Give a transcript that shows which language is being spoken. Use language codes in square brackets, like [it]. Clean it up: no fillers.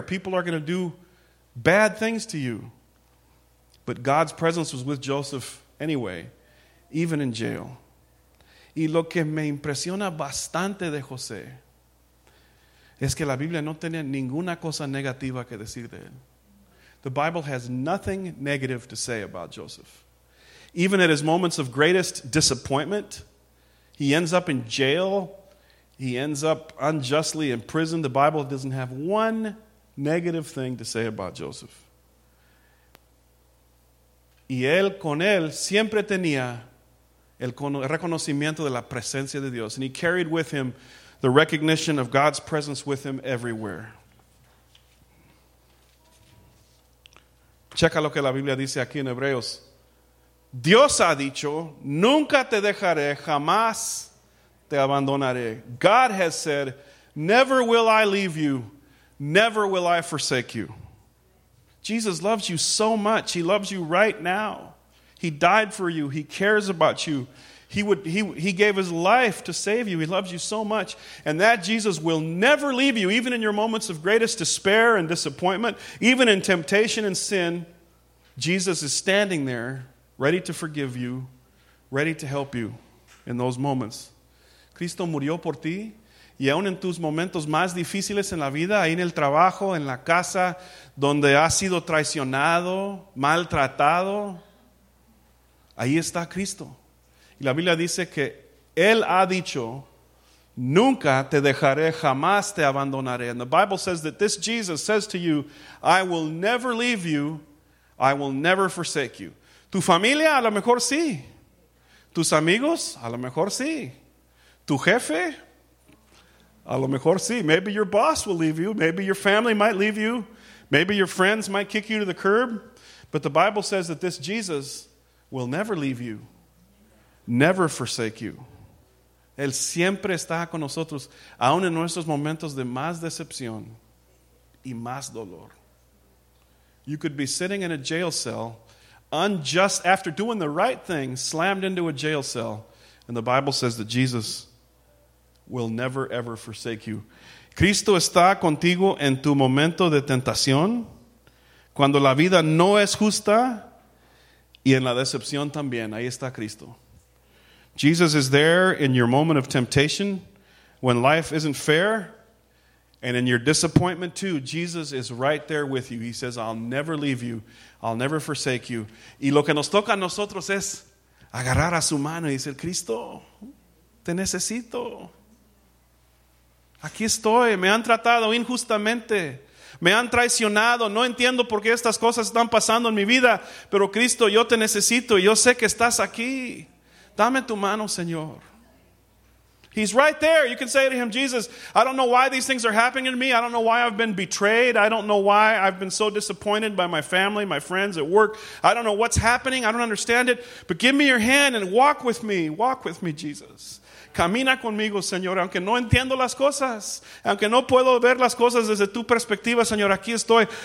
[en] People are going to do bad things to you. But God's presence was with Joseph anyway, even in jail. [es] Y lo que me impresiona bastante de José es que la Biblia no tenía ninguna cosa negativa que decir de él. [en] The Bible has nothing negative to say about Joseph. Even at his moments of greatest disappointment, he ends up in jail. He ends up unjustly in prison. The Bible doesn't have one negative thing to say about Joseph. [es] Y él con él siempre tenía el reconocimiento de la presencia de Dios. [en] And he carried with him the recognition of God's presence with him everywhere. [es] Checa lo que la Biblia dice aquí en Hebreos. Dios ha dicho, nunca te dejaré, jamás te abandonaré. [en] God has said, never will I leave you, never will I forsake you. Jesus loves you so much. He loves you right now. He died for you. He cares about you. He gave his life to save you. He loves you so much. And that Jesus will never leave you, even in your moments of greatest despair and disappointment, even in temptation and sin. Jesus is standing there ready to forgive you, ready to help you in those moments. [es] Cristo murió por ti, y aún en tus momentos más difíciles en la vida, ahí en el trabajo, en la casa, donde has sido traicionado, maltratado, ahí está Cristo. Y la Biblia dice que Él ha dicho, nunca te dejaré, jamás te abandonaré. [en] And the Bible says that this Jesus says to you, I will never leave you, I will never forsake you. [es] Tu familia, a lo mejor sí. Tus amigos, a lo mejor sí. Tu jefe, a lo mejor sí. [en] Maybe your boss will leave you. Maybe your family might leave you. Maybe your friends might kick you to the curb. But the Bible says that this Jesus will never leave you, never forsake you. [es] Él siempre está con nosotros, aun en nuestros momentos de más decepción y más dolor. [en] You could be sitting in a jail cell, unjust, after doing the right thing, slammed into a jail cell, and the Bible says that Jesus will never ever forsake you. [es] Cristo está contigo en tu momento de tentación, cuando la vida no es justa, y en la decepción también. Ahí está Cristo. [en] Jesus is there in your moment of temptation, when life isn't fair, and in your disappointment too. Jesus is right there with you. He says, I'll never leave you. I'll never forsake you. [es] Y lo que nos toca a nosotros es agarrar a su mano y decir, Cristo, te necesito. Aquí estoy. Me han tratado injustamente. Me han traicionado. No entiendo por qué estas cosas están pasando en mi vida. Pero Cristo, yo te necesito. Yo sé que estás aquí. Dame tu mano, Señor. [en] He's right there. You can say to him, Jesus, I don't know why these things are happening to me. I don't know why I've been betrayed. I don't know why I've been so disappointed by my family, my friends at work. I don't know what's happening. I don't understand it. But give me your hand and walk with me. Walk with me, Jesus. [es] Camina conmigo, Señor. Aunque no entiendo las cosas, aunque no puedo ver las cosas desde tu perspectiva, Señor, aquí estoy.